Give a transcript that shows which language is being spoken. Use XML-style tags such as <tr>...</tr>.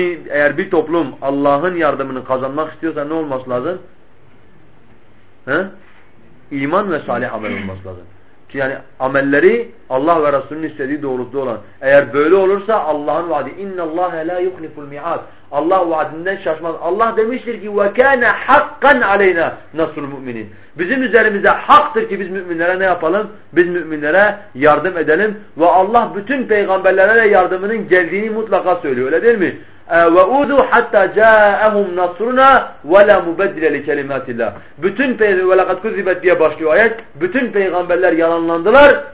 <tr>Eğer bir toplum Allah'ın yardımını kazanmak istiyorsa ne olması lazım? İman ve salih amel olması lazım. Ki yani amelleri Allah ve Resulünün istediği doğrultuda olan. Eğer böyle olursa Allah'ın vaadi</tr> <ar>اِنَّ اللّٰهَ لَا يُخْلِفُ الْمِعَادِ.</ar> <tr>Allah vaadinden şaşmaz. Allah demiştir ki</tr> <ar>وَكَانَ حَقًّا عَلَيْنَا نَصْرُ الْمُؤْمِنِينَ.</ar> <tr>Bizim üzerimize haktır ki biz müminlere ne yapalım? Biz müminlere yardım edelim. Ve Allah bütün peygamberlere de yardımının geldiğini mutlaka söylüyor. Öyle değil mi?</tr> <ar>وَعُوذُوا حَتَّى جَاءَهُمْ نَصْرُنَا وَلَا مُبَدِّلَ لِكَلِمَاتِ اللّٰهِ. وَلَقَدْ كُذِبَتْ</ar> <tr>diye başlıyor ayet. Bütün peygamberler yalanlandılar.</tr>